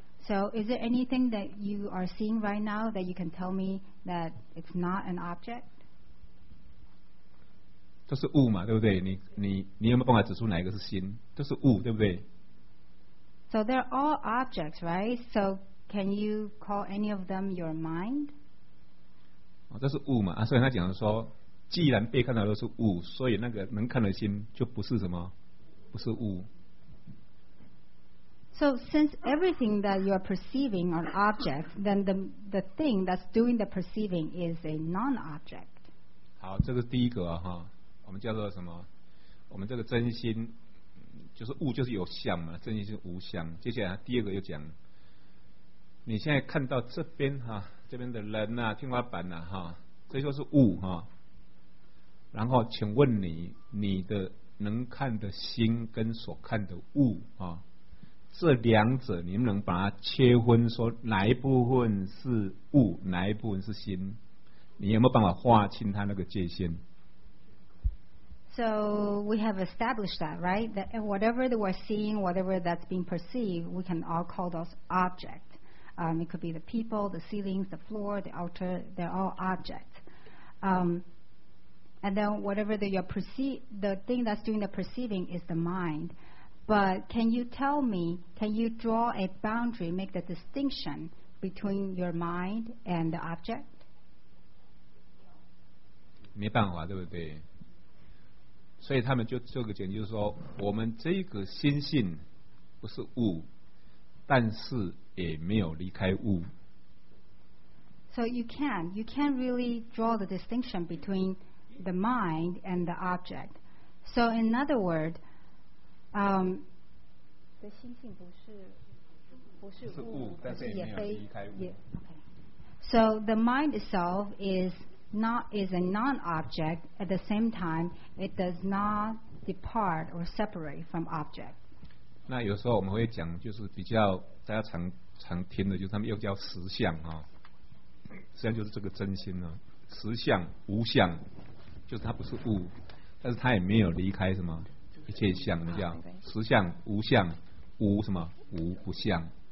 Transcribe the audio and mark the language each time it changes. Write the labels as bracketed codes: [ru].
[en] So is there anything that you are seeing right now that you can tell me that it's not an object? [zh] 都是物嘛，对不对？你有没有办法指出哪一个是心？都是物，对不对？ [en] So they're all objects, right? So can you call any of them your mind? [zh] 这是物嘛，所以他讲说，既然被看到的是物，所以那个能看的心就不是什么，不是物。 [en] So since everything that you are perceiving are objects, then the thing that's doing the perceiving is a non-object. [zh] 好，这个第一个啊，哈，我们叫做什么？我们这个真心。就是物就是有相嘛，真心是无相。接下来第二个又讲，你现在看到这边哈，这边的人啊，天花板啊哈，这就是物哈。然后请问你的能看的心跟所看的物啊，这两者你们能把它切分，说哪一部分是物，哪一部分是心，你有没有办法划清它那个界限？ [en] So we have established that, right? That whatever that we're seeing, whatever that's being perceived, we can all call those objects. It could be the people, the ceilings, the floor, the altar, they're all objects. And then whatever that you're the thing that's doing the perceiving is the mind. But can you tell me, can you draw a boundary, make the distinction between your mind and the object? [zh] 没办法，对不对？所以他们就做个简，就是说，我们这个心性不是物，但是也没有离开物。 [en] So you can't really draw the distinction between the mind and the object. So in other words, [zh] 的心性不是物，但是也没有离开物。 [en] Okay. So the mind itself is a non-object, at the same time, it does not depart or separate from object. [zh] 那有时候我们会讲，就是比较大家常听的，就是他们又叫实相啊，实相就是这个真心啊，实相无相，就是它不是物，但是它也没有离开什么一切相，这样实相无相，无什么无不相。